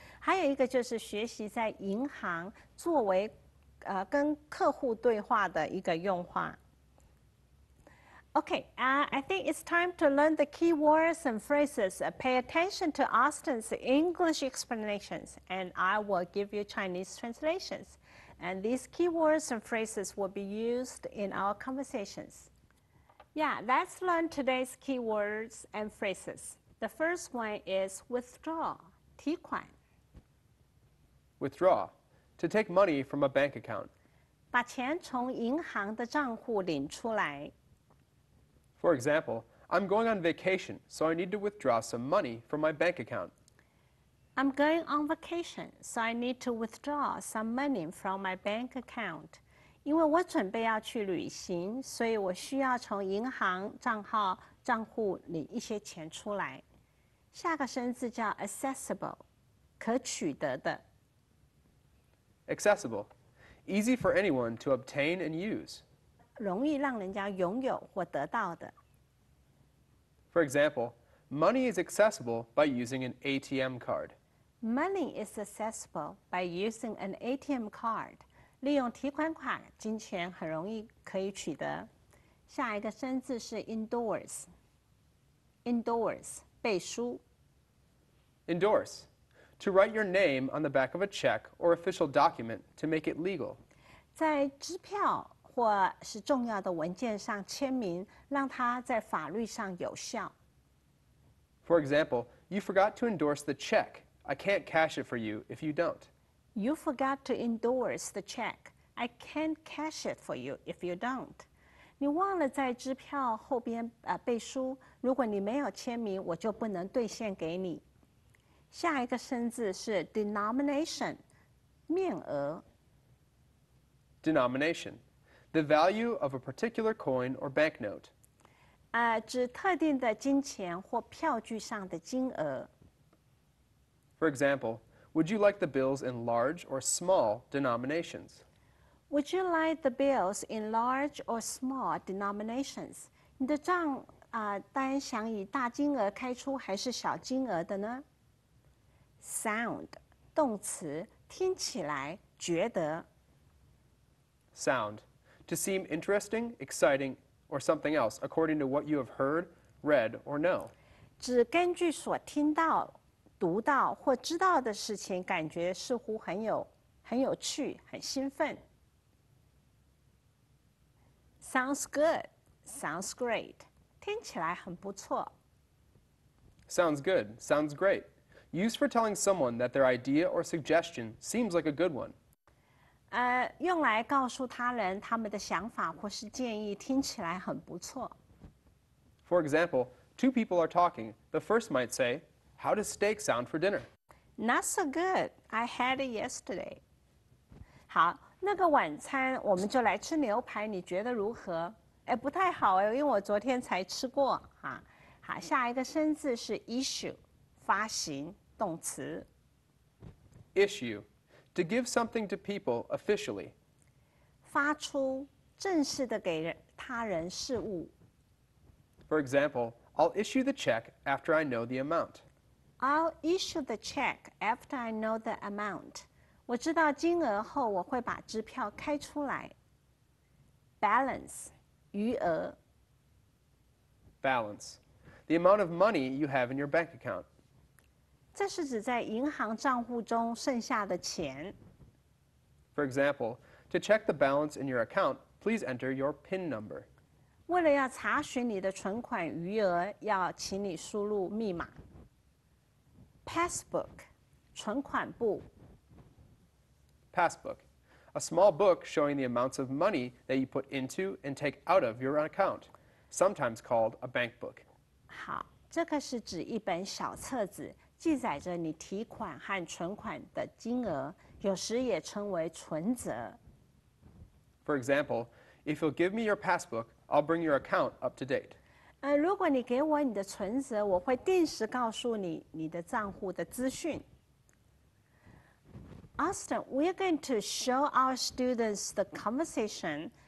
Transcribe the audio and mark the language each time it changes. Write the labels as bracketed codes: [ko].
[zh] 还有一个就是学习在银行作为跟客户对话的一个用话。 [en] Okay, I think it's time to learn the key words and phrases. Pay attention to Austin's English explanations, and I will give you Chinese translations. And these keywords and phrases will be used in our conversations. Yeah, let's learn today's keywords and phrases. The first one is withdraw, 提款. Withdraw, to take money from a bank account. [zh] 把钱从银行的账户领出来. [en] For example, I'm going on vacation, so I need to withdraw some money from my bank account. I'm going on vacation, so I need to withdraw some money from my bank account. [zh] 因为我准备要去旅行，所以我需要从银行账户里一些钱出来。下个生字叫 accessible, 可取得的。 [en] Accessible, easy for anyone to obtain and use. [zh] 容易让人家拥有或得到的。 [en] For example, money is accessible by using an ATM card. Money is accessible by using an ATM card. [zh] 利用提款卡，金钱很容易可以取得。下一个生字是 endorse. Endorse, 背书。 [en] Endorse, to write your name on the back of a check or official document to make it legal. [zh] 在支票或是重要的文件上签名，让它在法律上有效。 [en] For example, you forgot to endorse the check. I can't cash it for you if you don't. You forgot to endorse the check. I can't cash it for you if you don't. [zh] 你忘了在支票后边背书，如果你没有签名，我就不能兑现给你。下一个生字是 denomination， 面额。 [en] Denomination, the value of a particular coin or banknote. [zh] 指特定的金钱或票据上的金额。 [en] For example, would you like the bills in large or small denominations? Would you like the bills in large or small denominations? [zh] 你的账单想以大金额开出还是小金额的呢？ Sound, 动词，听起来，觉得。 [en] Sound, to seem interesting, exciting, or something else according to what you have heard, read, or know. [zh] 指根据所听到、读到或知道的事情，感觉似乎很有趣、很兴奋。 [en] Sounds good, sounds great. [zh] 听起来很不错。 [en] Sounds good, sounds great. Used for telling someone that their idea or suggestion seems like a good one. [zh] 用来告诉他人他们的想法或是建议听起来很不错。 [en] For example, two people are talking. The first might say, "How does steak sound for dinner?" Not so good. I had it yesterday. [zh] 好，那个晚餐我们就来吃牛排，你觉得如何？不太好因为我昨天才吃过哈。好，下一个生字是 issue， 发行，动词。 [en] Issue。 To give something to people officially. [zh] 发出正式的给他人事物。 [en] For example, I'll issue the check after I know the amount. I'll issue the check after I know the amount. [zh] 我知道金额后我会把支票开出来。 [en] Balance, 余额。 Balance, the amount of money you have in your bank account. [zh] 这是指在银行账户中剩下的钱。 [en] For example, to check the balance in your account, please enter your PIN number. [zh] 为了要查询你的存款余额，要请你输入密码。 [en] Passbook, 存款簿。 Passbook, a small book showing the amounts of money that you put into and take out of your account, sometimes called a bank book. [zh] 好，这个是指一本小册子。记载着你提款和存款的金额，有时也称为存折。 [en] For example, if you'll give me your passbook, I'll bring your account up to date. [zh] 如果你给我你的存折，我会定时告诉你你的账户的资讯。 [en] Austin, we're going to show our students the conversation.